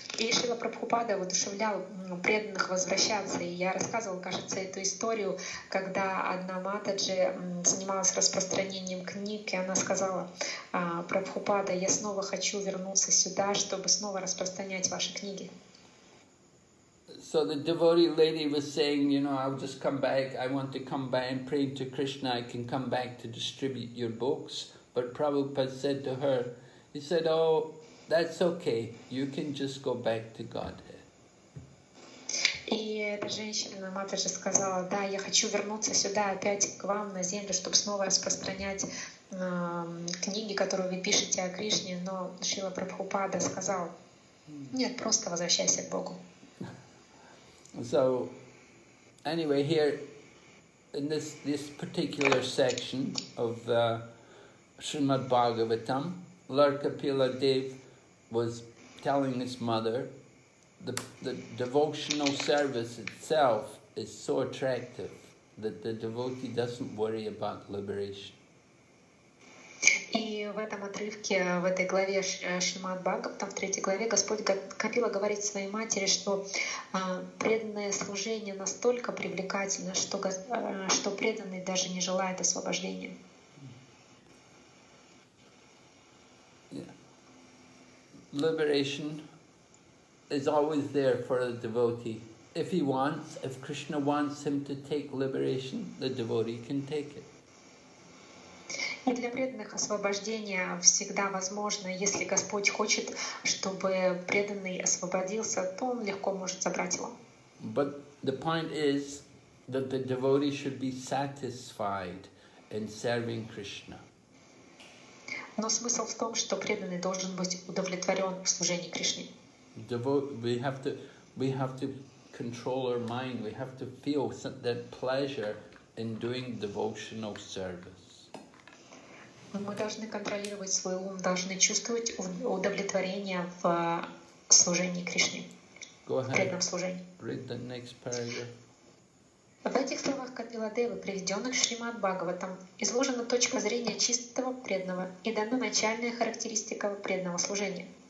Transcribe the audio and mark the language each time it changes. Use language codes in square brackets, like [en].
[ru] И Шрила Прабхупада воодушевлял преданных возвращаться. И я рассказывал, кажется, эту историю, когда одна матаджи занималась распространением книг, и она сказала, Прабхупада, я снова хочу вернуться сюда, чтобы снова распространять ваши книги. [en] So the devotee lady was saying, you know, I'll just come back, I want to come back and pray to Krishna, I can come back to distribute your books. But Prabhupada said to her, he said, oh, that's okay, you can just go back to Godhead. [ru] И эта женщина, матаджи, сказала, да, я хочу вернуться сюда опять к вам на землю, чтобы снова распространять книги, которые вы пишете о Кришне. Но Шрила Прабхупада сказал, нет, просто возвращайся к Богу. [en] So, anyway, here in this particular section of Srimad Bhagavatam, Lord Kapila Dev was telling his mother the devotional service itself is so attractive that the devotee doesn't worry about liberation. [ru] И в этом отрывке, в этой главе Шримад Бхагаватам, в 3 главе, Господь Капила говорит своей матери, что преданное служение настолько привлекательно, что преданный даже не желает освобождения. [en] Yeah. Liberation is always there for the devotee. If he wants, if Krishna wants him to take liberation, the devotee can take it. [ru] И для преданных освобождение всегда возможно. Если Господь хочет, чтобы преданный освободился, то он легко может забрать его. [en] But the point is that the devotee should be satisfied in serving Krishna. [ru] Но смысл в том, что преданный должен быть удовлетворен в служении Кришне. [en] We have to control our mind. We have to feel that pleasure in doing devotional service. [ru] Мы должны контролировать свой ум, должны чувствовать удовлетворение в служении Кришне, в преданном служении. [en] Read the next paragraph. [ru] В этих словах Капиладевы, приведенных Шримад Бхагаватам, изложена точка зрения чистого преданного и дана начальная характеристика преданного служения.